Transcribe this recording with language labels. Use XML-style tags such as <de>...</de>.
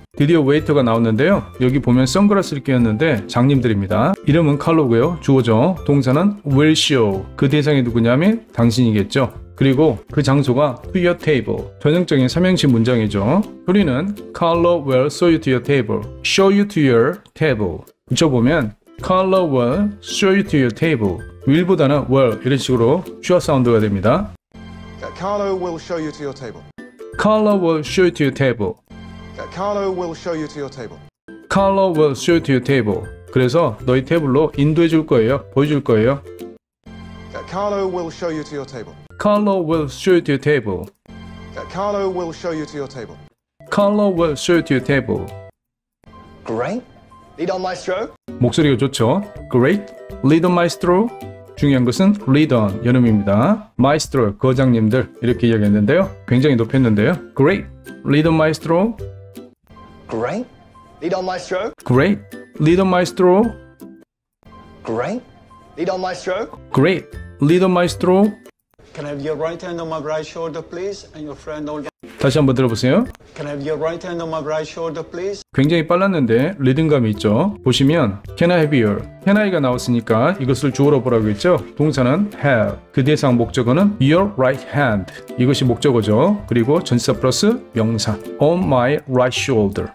<ko>드디어 웨이터가 나왔는데요. 여기 보면 선글라스를 끼었는데 장님들입니다. 이름은 칼로고요. 주어죠. 동사는 will show. 그 대상이 누구냐면 당신이겠죠. 그리고 그 장소가</ko> <en>to your table.</en> <ko>전형적인 삼행시 문장이죠. 소리는</ko> <en>Carlo will show you to your table. Show you to your table.</en> <ko>붙여보면</ko> <en>Carlo will show you to your table.</en> <ko>will보다는 will 이런 식으로 슈아 사운드가 됩니다.</ko> <en>Carlo will show you to your table. Carlo will show you to your table. Carlo will show you to your table. Carlo will show you to your table.</en> <ko>그래서 너희 테이블로 인도해 줄 거예요. 보여줄 거예요.</ko> <en>Carlo will show you to your table. Carlo will show you to your table. Carlo will show you to your table. Carlo will show you to your table. Great. Lead on, maestro.</en> <ko>목소리가 좋죠.</ko> <en>Great. Lead on, maestro.</en> <ko>중요한 것은</ko> <en>lead on 연음입니다.</en> <ko>Maestro, 거장님들 이렇게 이야기했는데요. 굉장히 높였는데요.</ko> <en>Great. Lead on, maestro. Great. Lead on, maestro. Great. Lead on, maestro. Great. Lead on, maestro. Great. Lead on, maestro. Can I have your right hand on my right shoulder, please? And your friend Olga.</en> <ko>다시 한번 들어보세요.</ko> <en>Can I have your right hand on my right shoulder, please?</en> <ko>굉장히 빨랐는데 리듬감이 있죠. 보시면</ko> <en>Can I have your?</en> <ko>Can I가 나왔으니까 이것을 주어로 보라고 했죠. 동사는 have. 그 대상 목적어는</ko> <en>your right hand.</en> <ko>이것이 목적어죠. 그리고 전치사 플러스 명사</ko> <en>on my right shoulder.</en>